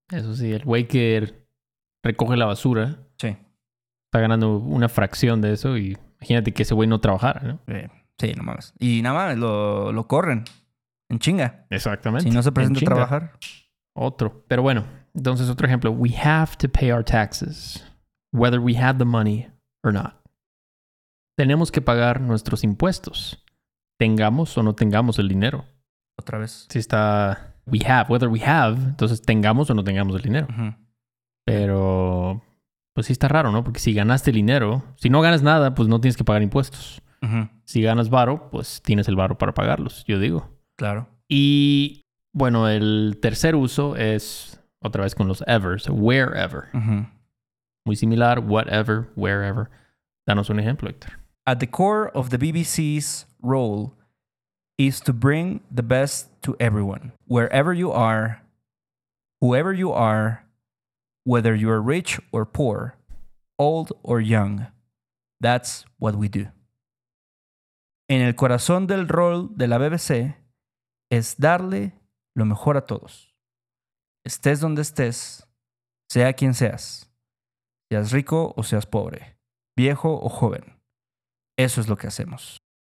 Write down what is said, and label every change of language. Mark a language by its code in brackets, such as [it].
[es] Eso sí, el güey que recoge la basura. Sí. Está ganando una fracción de eso y imagínate que ese güey no trabajara, ¿no? Sí, no mames. Y nada más, lo corren. En chinga. Exactamente. Si no se presenta a trabajar. Otro. Pero bueno, entonces otro ejemplo. [en] We have to pay our taxes, whether we have the money or not. [es] Tenemos que pagar nuestros impuestos, tengamos o no tengamos el dinero. Otra vez. Si está [en] we have, whether we have, [es] entonces tengamos o no tengamos el dinero. Uh-huh. Pero... pues sí está raro, ¿no? Porque si ganaste dinero, si no ganas nada, pues no tienes que pagar impuestos. Uh-huh. Si ganas varo, pues tienes el varo para pagarlos, yo digo. Claro. Y bueno, el tercer uso es otra vez con los ever, [en] so wherever. [es] Uh-huh. Muy similar, whatever, wherever. Danos un ejemplo, Héctor. [en] At the core of the BBC's role is to bring the best to everyone. Wherever you are, whoever you are, whether you are rich or poor, old or young, that's what we do. [es] En el corazón del rol de la BBC es darle lo mejor a todos. Estés donde estés, sea quien seas, seas rico o seas pobre, viejo o joven, eso es lo que hacemos.